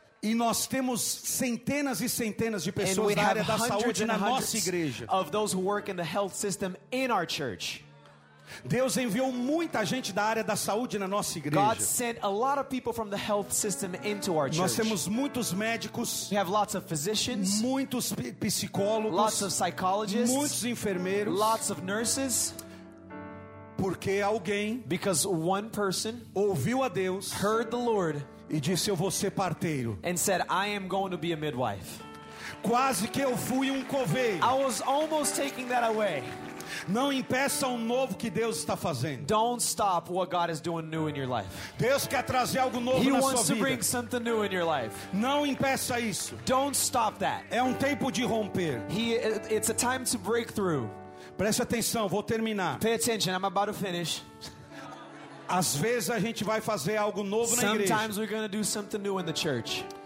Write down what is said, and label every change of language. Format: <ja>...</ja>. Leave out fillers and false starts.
<pt>E nós temos centenas e centenas de pessoas na área da saúde na nossa igreja.</pt> <en>Of those who work in the health system in our church.</en> <pt>Deus enviou muita gente da área da saúde na nossa igreja.</pt> <en>God sent a lot of people from the health system into our church.</en> <pt>Nós temos muitos médicos.</pt> <en>We have lots of physicians.</en> <pt>Muitos psicólogos.</pt> <en>Lots of psychologists.</en> <pt>Muitos enfermeiros.</pt> <en>Lots of nurses.</en> <pt>Porque alguém.</pt> <en>Because one person.</en> <pt>Ouviu a Deus.</pt> <en>Heard the Lord.</en> <pt>E disse, eu vou ser parteiro.</pt> <en>And said, I am going to be a midwife.</en> <pt>Quase que eu fui coveiro.</pt> <en>I was almost taking that away.</en> <pt>Não impeça o novo que Deus está fazendo.</pt> <en>Don't stop what God is doing new in your life.</en> <pt>Deus quer trazer algo novo</pt> <en>He</en> <pt>na sua vida.</pt> <en>He wants to bring something new in your life.</en> <pt>Não impeça isso.</pt> <en>Don't stop that.</en> <pt>É tempo de romper.</pt> <en>It's a time to break through.</en> <pt>Preste atenção, vou terminar.</pt> <en>Pay attention, I'm about to finish.</en> <pt>Às vezes a gente vai fazer algo novo na</pt> <en>Sometimes</en> <pt>igreja.</pt> <en>Sometimes we're going to do something new in the church.</en>